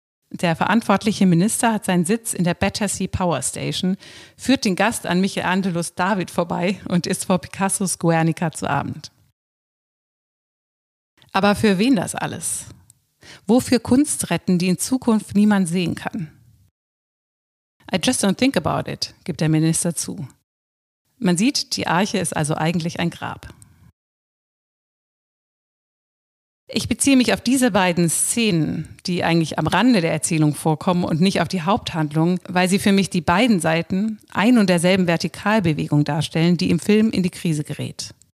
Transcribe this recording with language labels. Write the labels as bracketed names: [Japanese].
[German] Der verantwortliche Minister hat seinen Sitz in der Battersea Power Station, führt den Gast an Michelangelos David vorbei und isst vor Picassos Guernica zu Abend. Aber für wen das alles? Wofür Kunst retten, die in Zukunft niemand sehen kann? [English] I just don't think about it, [German] gibt der Minister zu. Man sieht, die Arche ist also eigentlich ein Grab. Ich beziehe mich auf diese beiden Szenen, die eigentlich am Rande der Erzählung vorkommen und nicht auf die Haupthandlung, weil sie für mich die beiden Seiten ein und derselben Vertikalbewegung darstellen, die im Film in die Krise gerät.